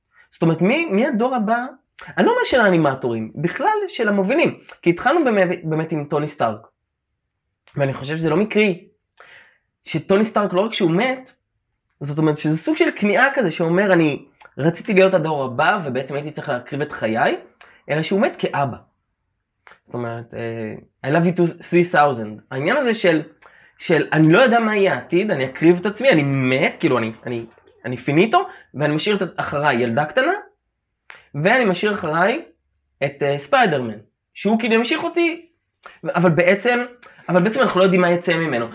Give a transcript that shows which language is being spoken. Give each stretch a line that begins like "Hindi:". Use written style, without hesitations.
Hebrew: זאת אומרת, מי הדור הבא? אני לא אומר של האנימטורים, בכלל של המובילים. כי התחלנו באמת עם טוני סטארק. ואני חושב שזה לא מקרי. שטוני סטארק לא רק שהוא מת, זאת אומרת שזה סוג של קניעה כזה שאומר, אני רציתי להיות הדור הבא ובעצם הייתי צריך להקריב את חיי, אלא שהוא מת כאבא. זאת אומרת,
English: I love you to 3000.
Hebrew: העניין הזה של אני לא יודע מה יהיה העתיד, אני אקריב את עצמי, אני מת, כאילו אני פיניטו, ואני משאיר את אחריי ילדה קטנה, ואני משאיר אחריי את ספיידרמן, שהוא כאילו ימשיך אותי, אבל בעצם אנחנו לא יודעים מה יצא ממנו.